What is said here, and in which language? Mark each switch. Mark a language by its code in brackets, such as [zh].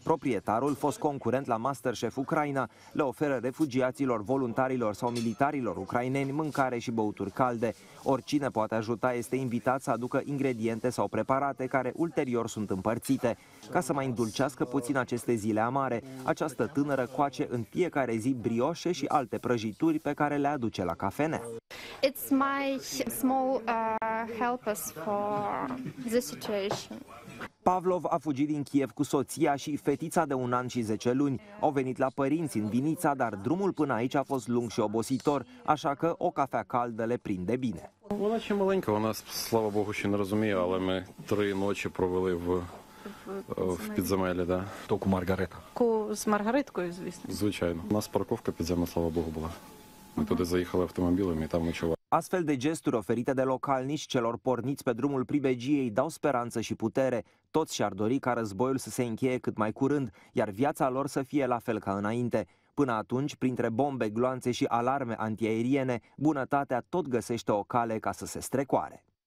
[ro] Proprietarul, fost concurent la MasterChef Ucraina, le oferă refugiaților, voluntarilor sau militarilor ucraineni mâncare și băuturi calde. Oricine poate ajuta este invitat să aducă ingrediente sau preparate care ulterior sunt împărțite. Ca să mai îndulcească puțin aceste zile amare, această tânără coace în fiecare zi brioșe și alte prăjituri pe care le aduce la cafenea. [en] It's my small help us for the situation. [ro] Pavlov a fugit din Kiev cu soția și fetița de un an și 10 luni. Au venit la părinți în Vinița, dar drumul până aici a fost lung și obositor, așa că o cafea caldă le prinde bine. [uk] Вона ще маленька, вона, слава Богу, ще не розуміє, але ми 3 ночі провели в підземеллі, да. То ку Маргарета. Ку з Маргариткою, звісно. Звичайно. У нас парковка підземна, слава Богу, була. Ми туди заїхали автомобілем і там нічого. [ro] Astfel de gesturi oferite de localnici celor porniți pe drumul pribegiei dau speranță și putere. Toți și-ar dori ca războiul să se încheie cât mai curând, iar viața lor să fie la fel ca înainte. Până atunci, printre bombe, gloanțe și alarme antiaeriene, bunătatea tot găsește o cale ca să se strecoare.